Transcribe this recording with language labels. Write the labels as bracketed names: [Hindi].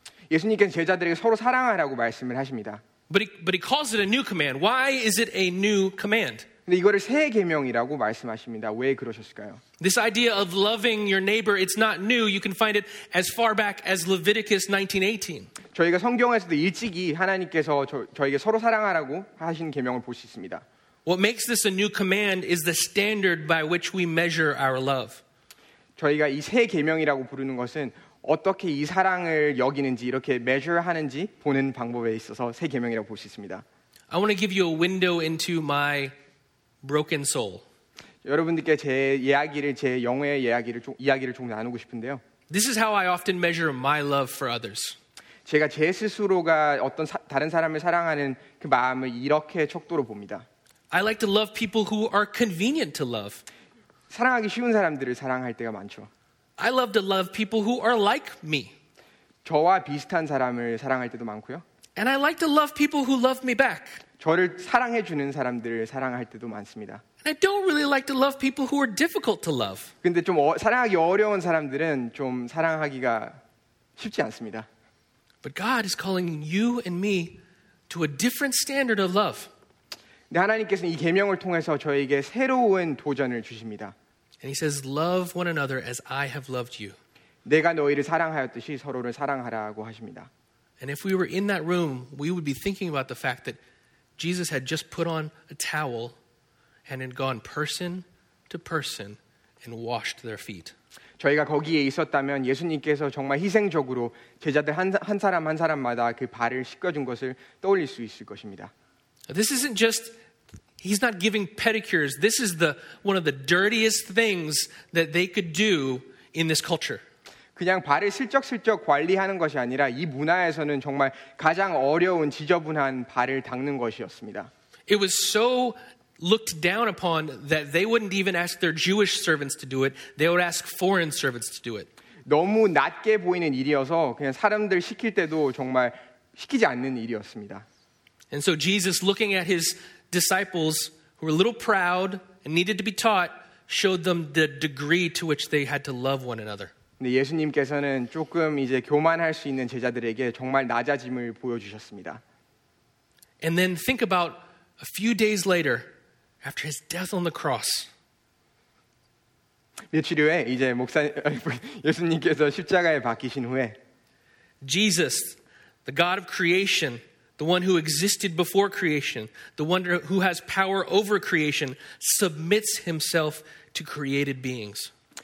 [Korean] 예수님께서 제자들에게 서로 사랑하라고 말씀을 하십니다. [English] But he calls it a new command. Why is it a new command? [Korean] 근데 이거를 새 계명이라고 말씀하십니다. 왜 그러셨을까요? [English] This idea of loving your neighbor, it's not new. You can find it as far back as Leviticus 19:18. [Korean] 저희가 성경에서도 일찍이 하나님께서 저희에게 서로 사랑하라고 하신 계명을 볼 수 있습니다. [English] What makes this a new command is the standard by which we measure our love. [Korean] 저희가 이 새 계명이라고 부르는 것은 어떻게 이 사랑을 여기는지 이렇게 measure 하는지 보는 방법에 있어서 새 계명이라고 볼 수 있습니다. [English] I want to give you a window into my broken soul. [Korean] 여러분들께 제 이야기를 제 영혼의 이야기를 좀 이야기를 좀 나누고 싶은데요. [English] This is how I often measure my love for others. [Korean] 제가 제 스스로가 어떤 다른 사람을 사랑하는 그 마음을 이렇게 척도로 봅니다. [English] I like to love people who are convenient to love. [Korean] 사랑하기 쉬운 사람들을 사랑할 때가 많죠. [English] I love to love people who are like me. [Korean] 저와 비슷한 사람을 사랑할 때도 많고요. [English] And I like to love people who love me back. [Korean] 저를 사랑해 주는 사람들을 사랑할 때도 많습니다. [English] And I don't really like to love people who are difficult to love. [Korean] 근데 좀 사랑하기 어려운 사람들은 좀 사랑하기가 쉽지 않습니다. [English] But God is calling you and me to a different standard of love. [Korean] 근데 하나님께서는 이 계명을 통해서 저에게 새로운 도전을 주십니다. [English] And he says, "Love one another as I have loved you." [Korean] 내가 너희를 사랑하였듯이 서로를 사랑하라고 하십니다. [English] And if we were in that room, we would be thinking about the fact that Jesus had just put on a towel and had gone person to person and washed their feet. [Korean] 저희가 거기에 있었다면 예수님께서 정말 희생적으로 제자들 한 사람 한 사람마다 그 발을 씻겨준 것을 떠올릴 수 있을 것입니다. [English] This isn't just He's not giving pedicures. This is one of the dirtiest things that they could do in this culture. [Korean] 그냥 발을 슬쩍슬쩍 관리하는 것이 아니라 이 문화에서는 정말 가장 어려운 지저분한 발을 닦는 것이었습니다. [English] It was so looked down upon that they wouldn't even ask their Jewish servants to do it. They would ask foreign servants to do it. [Korean] 너무 낮게 보이는 일이어서 그냥 사람들 시킬 때도 정말 시키지 않는 일이었습니다. [English] And so Jesus, looking at his disciples who were a little proud and needed to be taught, showed them the degree to which they had to love one another. [Korean] 근데 예수님께서는 조금 이제 교만할 수 있는 제자들에게 정말 낮아짐을 보여주셨습니다. [English] And then think about a few days later, after his death on the cross. [Korean] 며칠 후에 이제 목사 예수님께서 십자가에 박히신 후에 [English] Jesus, the God of creation, the one who existed before creation, the one who has power over creation, submits himself to created beings.